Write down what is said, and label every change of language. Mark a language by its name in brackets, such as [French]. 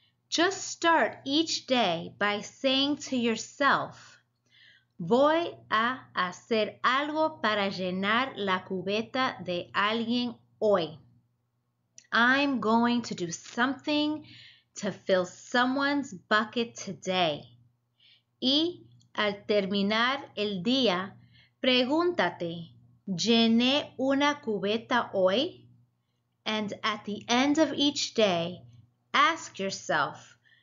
[English] Just start each day by saying to yourself, [Spanish] voy a hacer algo para llenar la cubeta de alguien hoy. [English] I'm going to do something to fill someone's bucket today. [Spanish] Y al terminar el día, pregúntate, ¿llené una cubeta hoy? [English] And at the end of each day, ask yourself,